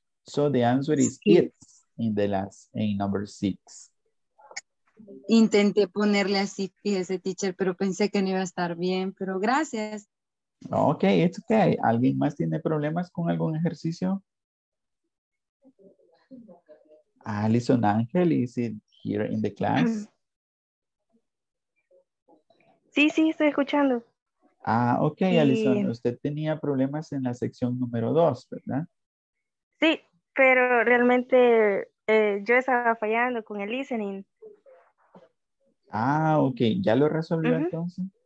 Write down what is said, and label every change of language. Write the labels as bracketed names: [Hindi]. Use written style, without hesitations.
[English] So the answer is it in the last, in number 6. [Spanish] Intenté ponerle así, fíjese, teacher, pero pensé que no iba a estar bien. Pero gracias. [English] Ok, it's okay. [Spanish] ¿Alguien más tiene problemas con algún ejercicio? [English] Alison Ángel, is it here in the class? [Spanish] Sí, sí, estoy escuchando. Ah, ok, sí. Alison, usted tenía problemas en la sección número 2, ¿verdad? Sí, pero realmente yo estaba fallando con el listening. Ah, ok, ¿ya lo resolvió entonces?